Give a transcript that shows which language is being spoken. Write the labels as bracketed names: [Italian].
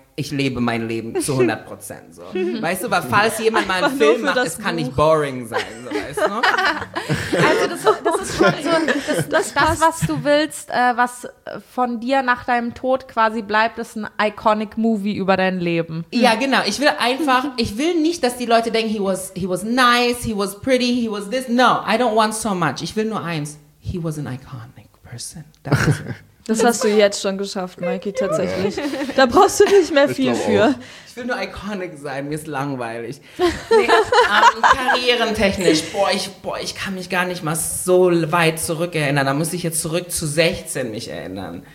[German] Ich lebe mein Leben zu 100%. So. Weißt du, weil falls jemand mal einen Film macht, es kann nicht boring sein. So, weißt du? Also das ist schon was du willst, was von dir nach deinem Tod quasi bleibt, ist ein iconic movie über dein Leben. Ja, genau. Ich will nicht, dass die Leute denken, [English] he was nice, he was pretty, he was this. No, I don't want so much. [German] Ich will nur eins. [English] He was an iconic person. That's it. [German] Das hast du jetzt schon geschafft, Mikey, tatsächlich. Da brauchst du nicht mehr viel für. Ich will nur iconic sein, mir ist langweilig. Karrierentechnisch, ich kann mich gar nicht mal so weit zurückerinnern. Da muss ich jetzt zurück zu 16 mich erinnern.